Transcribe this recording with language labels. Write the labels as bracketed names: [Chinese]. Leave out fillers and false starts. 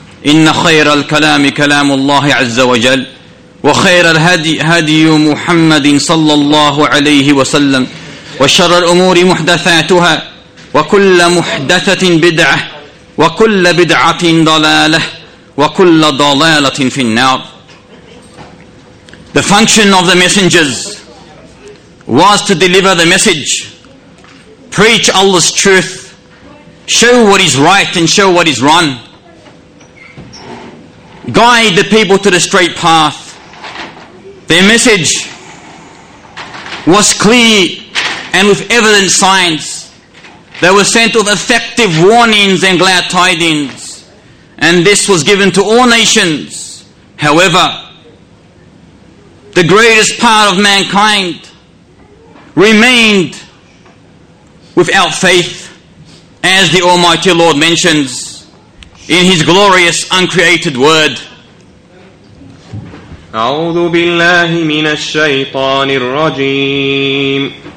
[Arabic] إن خير الكلام كلام الله عز وجل، وخير الهدي هدي محمد صلى الله عليه وسلم، وشر الأمور محدثاتها، وكل محدثة بدعة، وكل بدعة ضلالة، وكل ضلالة في النار. [English] The function of the messengers was to deliver the message, preach Allah's truth, show what is right and show what is wrong, guide the people to the straight path. Their message was clear and with evident signs. They were sent with effective warnings and glad tidings, and this was given to all nations. However, the greatest part of mankind remained without faith, as the Almighty Lord mentions in His glorious uncreated word. [Arabic] أعوذ بالله من الشيطان الرجيم.